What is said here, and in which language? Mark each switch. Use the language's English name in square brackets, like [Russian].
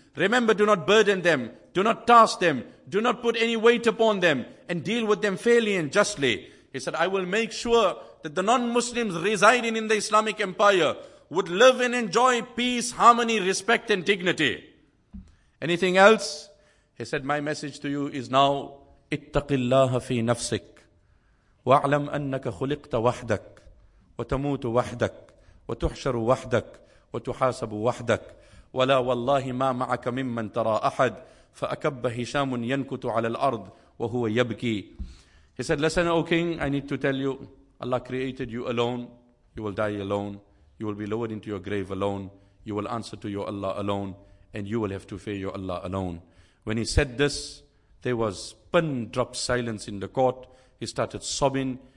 [English] Remember, do not burden them. Do not task them. Do not put any weight upon them. And deal with them fairly and justly. He said, I will make sure that the non-Muslims residing in the Islamic Empire would live and enjoy peace, harmony, respect and dignity. Anything else? He said, my message to you is now, [Arabic] اتَّقِ اللَّهَ فِي نَفْسِكَ وَاعْلَمْ أَنَّكَ خُلِقْتَ وَحْدَكَ وَتَمُوتُ وَحْدَكَ وَتُحْشَرُ وَحْدَكَ وَتُحَاسَبُ وَحْدَكَ وَلَا وَاللَّهِ مَا مَعَكَ مِمَّنْ تَرَى أَحَدٍ فَأَكَبَّ هِشَامٌ يَنْكُتُ عَلَى الْأَرْضِ وَهُوَ يَبْكِي. [English] He said, listen, O king, I need to tell you, Allah created you alone. You will die alone. You will be lowered into your grave alone. You will answer to your Allah alone. And you will have to fear your Allah alone. When he said this, there was pin drop silence in the court. He started sobbing.